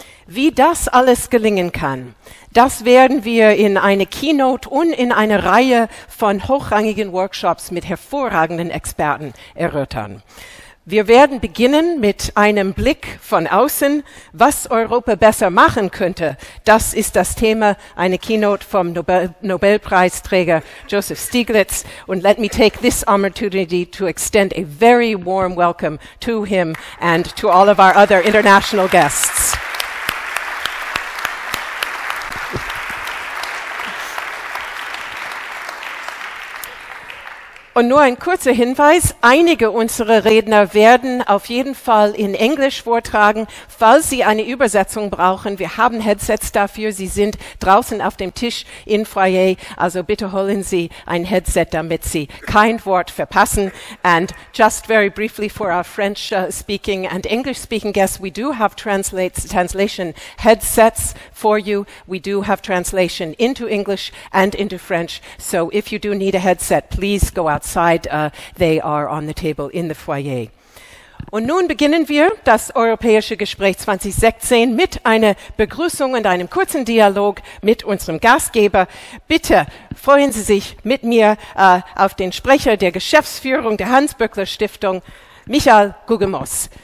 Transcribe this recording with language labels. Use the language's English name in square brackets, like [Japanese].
[German] Wie das alles gelingen kann, das werden wir in eine Keynote und in eine Reihe von hochrangigen Workshops mit hervorragenden Experten erörtern. Wir werden beginnen mit einem Blick von außen, was Europa besser machen könnte. Das ist das Thema, eine Keynote vom Nobelpreisträger Joseph Stiglitz. [English] And let me take this opportunity to extend a very warm welcome to him and to all of our other international guests. [German] Und nur ein kurzer Hinweis, einige unserer Redner werden auf jeden Fall in Englisch vortragen, falls Sie eine Übersetzung brauchen. Wir haben Headsets dafür, sie sind draußen auf dem Tisch im Foyer, also bitte holen Sie ein Headset, damit Sie kein Wort verpassen. [English] And just very briefly for our French-speaking and English-speaking guests, we do have translation headsets for you. We do have translation into English and into French, so if you do need a headset, please go outside, they are on the table in the foyer. [German] Und nun beginnen wir das Europäische Gespräch 2016 mit einer Begrüßung und einem kurzen Dialog mit unserem Gastgeber. Bitte freuen Sie sich mit mir auf den Sprecher der Geschäftsführung der Hans-Böckler-Stiftung, Michael Guggemos.